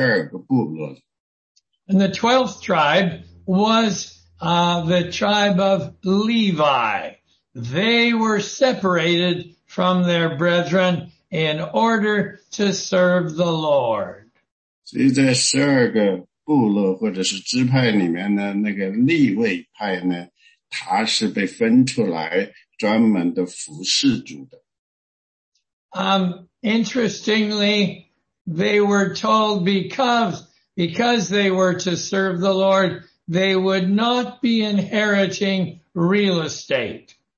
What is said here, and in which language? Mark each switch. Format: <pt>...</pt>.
<zh>所以大家应该记得那个以色列整个国家是分为12个部落。And</zh> <en>the 12th tribe was the tribe of Levi. They were separated from their brethren in order to serve the Lord.</en> <zh>所以在12个部落或者是支派里面呢，那个利未派呢，他是被分出来。</zh> <en>Interestingly, they were told because they were to serve the Lord, they would not be inheriting real estate.</en>